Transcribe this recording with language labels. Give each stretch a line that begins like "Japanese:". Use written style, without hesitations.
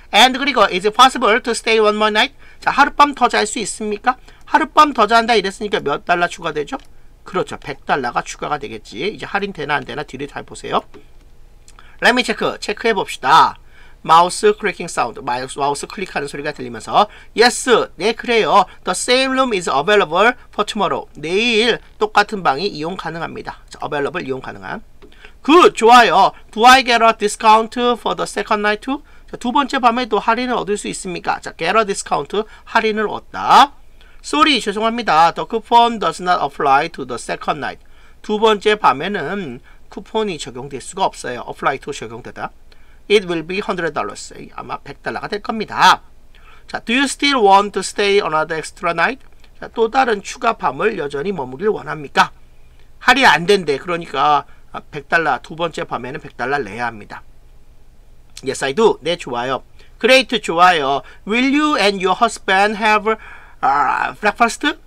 English: And
Korean: 그리고
English: is it possible to stay one more night?
Korean: 자, 하룻밤 더 잘 수 있습니까? 하룻밤 더 잔다 이랬으니까 몇 달러 추가되죠? 그렇죠, 100달러가 추가가 되겠지. 이제 할인 되나 안 되나 뒤를 잘 보세요.
English: Let me check,
Korean: 체크해 봅시다. 마우스 클릭킹 사운드, 마우스 클릭하는 소리가 들리면서
English: Yes,
Korean: 네 그래요.
English: The same room is available for tomorrow.
Korean: 내일 똑같은 방이 이용 가능합니다.
English: 자, available
Korean: 이용 가능한.
English: Good,
Korean: 좋아요.
English: Do I get a discount for the second night too?
Korean: 자, 두 번째 밤에도 할인을 얻을 수 있습니까?
English: 자, get a discount,
Korean: 할인을 얻다.
English: Sorry,
Korean: 죄송합니다.
English: The coupon does not apply to the second night.
Korean: 두 번째 밤에는 쿠폰이 적용될 수가 없어요.
English: Apply to
Korean: 적용되다.
English: It will be $100.
Korean: 아마 $100가 될 겁니다.
English: 자, do you still want to stay another extra night?
Korean: 자, 또 다른 추가 밤을 여전히 머무길 원합니까? 할이 안 된대. 그러니까 $100, 두 번째 밤에는 $100 내야 합니다.
English: Yes, I do.
Korean: 네, 좋아요.
English: Great,
Korean: 좋아요.
English: Will you and your husband have breakfast?